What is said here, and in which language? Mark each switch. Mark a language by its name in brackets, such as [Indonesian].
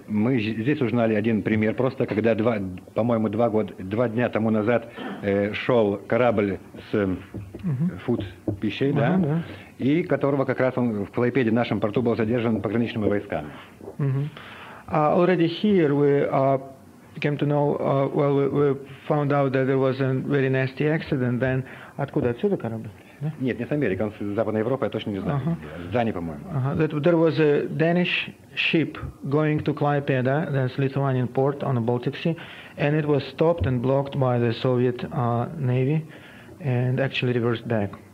[Russian] Мы здесь узнали один пример просто, когда два дня тому назад шел корабль с фуд пищей, и которого как раз он в Клайпеде, в нашем порту, был задержан пограничными войсками. [English] Already here we came to know, we found out that there was a very nasty accident. Then [Russian] откуда отсюда корабль? Yeah? Нет, не с Америки, он с Западной Европы, я точно не знаю. С Дании, по-моему. [English] That there was a Danish ship going to Klaipeda, that's Lithuanian port on the Baltic Sea, and it was stopped and blocked by the Soviet Navy and actually reversed back.